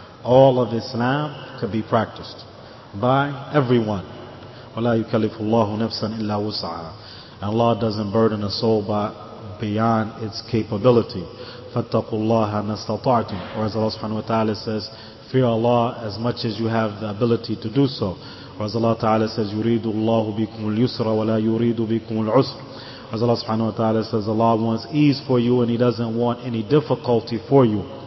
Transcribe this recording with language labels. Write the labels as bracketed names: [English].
[English] All of Islam could be practiced by everyone. [Arabic] وَلَا يُكَلِّفُ اللَّهُ نَفْسًا إِلَّا وُسْعَهَا. [English] And Allah doesn't burden a soul by beyond its capability. [Arabic] فَاتَّقُوا اللَّهَ مَا اسْتَطَعْتُمْ. [English] Or as Allah subhanahu wa ta'ala says, fear Allah as much as you have the ability to do so. Or as Allah ta'ala says, [Arabic] يُرِيدُ اللَّهُ بِكُمُ الْيُسْرَ وَلَا يُرِيدُ بِكُمُ الْعُسْرَ. [English] As Allah subhanahu wa ta'ala says, Allah wants ease for you and He doesn't want any difficulty for you.